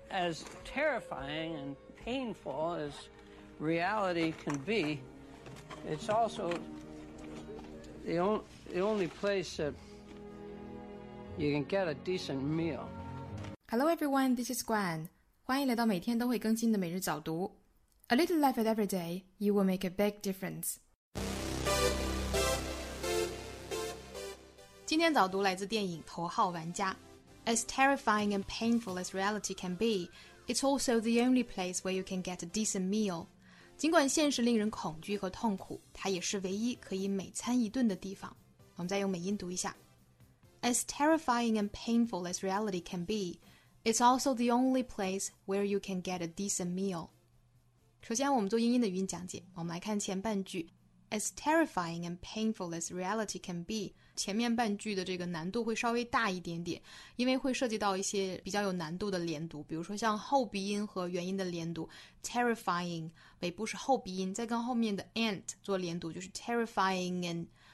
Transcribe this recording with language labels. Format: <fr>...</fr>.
<en>as terrifying and painful as reality can be, it's also the only place that you can get a decent meal. Hello everyone, this is Gwen.</en> <zh>欢迎来到每天都会更新的每日早读。</zh> <en>A little life at every day, you will make a big difference.</en> <zh>今天早读来自电影《头号玩家》。</zh> <en>As terrifying and painful as reality can be, it's also the only place where you can get a decent meal.</en> <zh>尽管现实令人恐惧和痛苦，它也是唯一可以每餐一顿的地方。我们再用美音读一下。</zh> <en>As terrifying and painful as reality can be, it's also the only place where you can get a decent meal.</en> <zh>首先我们做英音的语音讲解，我们来看前半句。</zh> <en>As terrifying and painful as reality can be,</en> <zh>前面半句的这个难度会稍微大一点点，因为会涉及到一些比较有难度的连读，比如说像后鼻音和元音的连读， terrifying, 尾部是后鼻音，再跟后面的 and 做连读，就是</zh> <en>terrifying and</en>